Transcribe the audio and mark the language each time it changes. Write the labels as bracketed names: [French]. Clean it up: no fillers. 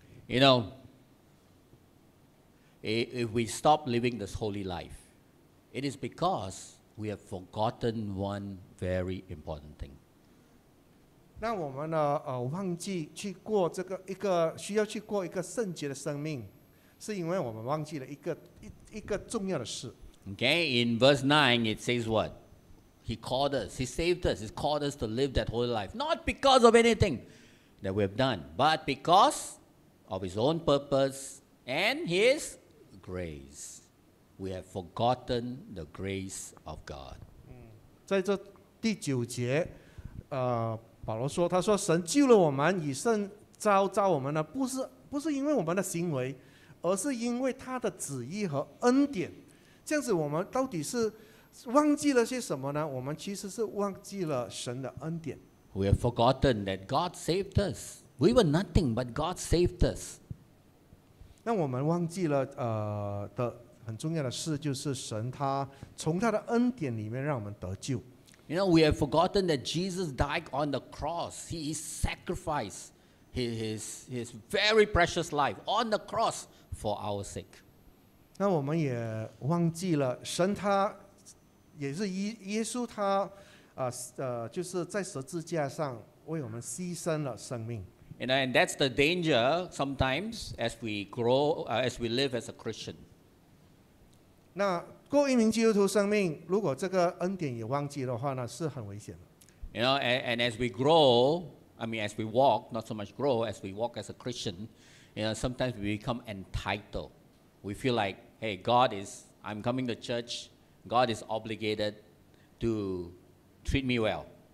[English] You know, if we stop living this holy life, it is because we have forgotten one very important thing. [Chinese] 那我们呢？忘记去过这个一个需要去过一个圣洁的生命，是因为我们忘记了一个重要的事。 [English] Okay, in verse 9 it says what? He called us, he saved us, he called us to live that holy life, not because of anything that we have done, but because of his own purpose and his grace. We have forgotten the grace of God. [Chinese] 在这第九节，保罗说：“他说，神救了我们，以圣召召我们呢，不是因为我们的行为，而是因为他的旨意和恩典。这样子，我们到底是忘记了些什么呢？我们其实是忘记了神的恩典。 [English] We have forgotten that God saved us. We were nothing, but God saved us. [Chinese] 那我们忘记了的很重要的事，就是神他从他的恩典里面让我们得救。” [English] You know, we have forgotten that Jesus died on the cross. He sacrificed his very precious life on the cross for our sake. [Chinese] 那我们也忘记了神他也是耶稣他就是在十字架上为我们牺牲了生命。 [English] You know, and that's the danger sometimes as we grow, as we live as a Christian. [Chinese] 那过一名基督徒生命，如果这个恩典也忘记的话呢，是很危险的。 [English] You know, and as we grow, I mean, as we walk, not so much grow, as we walk as a Christian, you know, sometimes we become entitled. We feel like, hey, God is, I'm coming to church, God is obligated to treat me well.